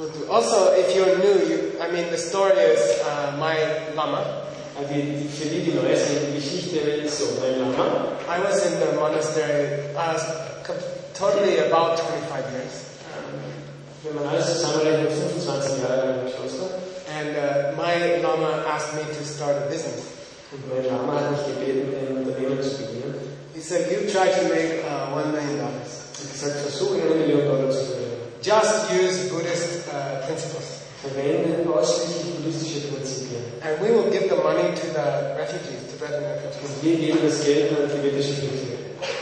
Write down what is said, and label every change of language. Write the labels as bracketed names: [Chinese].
[English] Also, if you're new, the story is my Lama. [German] Für die, die neu sind, die Geschichte ist so, mein Lama. [English] I was in the monastery totally about 25 years. [German] Wenn man alles zusammenrechnet, 25 Jahre im Kloster. [English] And my Lama asked me to start a business. [German] Und mein Lama hat mich gebeten, ein Unternehmen zu beginnen. [English] He said, you try to make $1 million. [German] Er sagt, versuche $1 million zu verdienen. [English] Just use Buddhist principles. [German] Verwende ausschließlich buddhistische Prinzipien. [English] And we will give the money to the refugees, to Tibetan refugees. [German] Und wir geben das Geld an tibetische Flüchtlinge.